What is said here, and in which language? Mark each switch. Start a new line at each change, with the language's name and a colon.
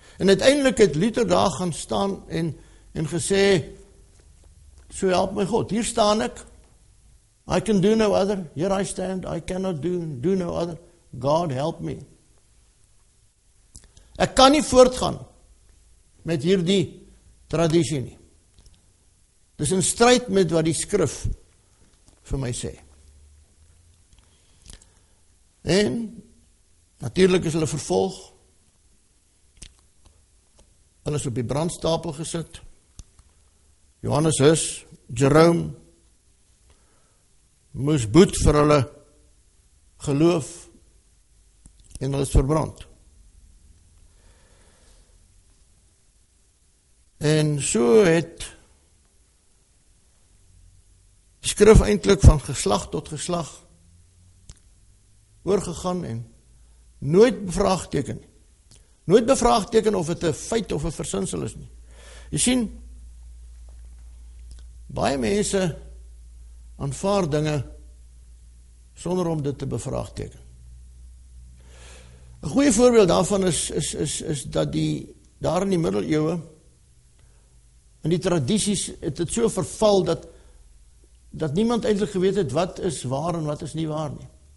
Afrikaans: En uiteindelik het Luther daar gaan staan en gesê, so help my God, hier staan ek,
English: I can do no other, here I stand, I cannot do no other, God help me.
Afrikaans: Ek kan nie voortgaan met hierdie traditie nie. Dis in strijd met wat die skrif vir my sê. En natuurlijk is hulle vervolg. Hulle is op die brandstapel gesit. Johannes Hus, Jerome, moes boet vir hulle geloof en hulle is verbrand. En so het die skrif eintlik van geslag tot geslag oorgegaan en nooit bevraagteken. Nooit bevraagteken of het een feit of een versinsel is nie. Jy sien, baie mense aanvaar dinge sonder om dit te bevraagteken. Een goeie voorbeeld daarvan is dat die daar in die middeleeuwe in die tradities het het so verval dat niemand eintlik geweet het wat is waar en wat is nie waar nie.